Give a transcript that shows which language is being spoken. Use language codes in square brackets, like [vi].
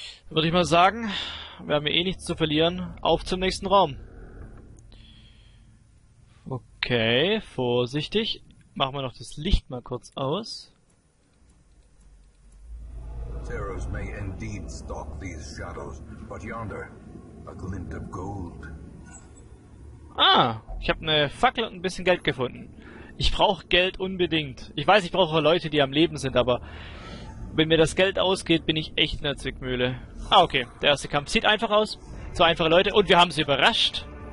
[de] Würde ich mal sagen, wir haben eh nichts zu verlieren. Auf zum nächsten Raum. Okay, vorsichtig. Machen wir noch das Licht mal kurz aus. [en] Pharaohs may indeed stalk these shadows, but yonder a glint of gold. [de] Ah, ich habe eine Fackel und ein bisschen Geld gefunden. Ich brauche Geld unbedingt. Ich weiß, ich brauche Leute, die am Leben sind, aber wenn mir das Geld ausgeht, bin ich echt in der Zwickmühle. Ah, okay, der erste Kampf sieht einfach aus. Zwei einfache Leute und wir haben sie überrascht.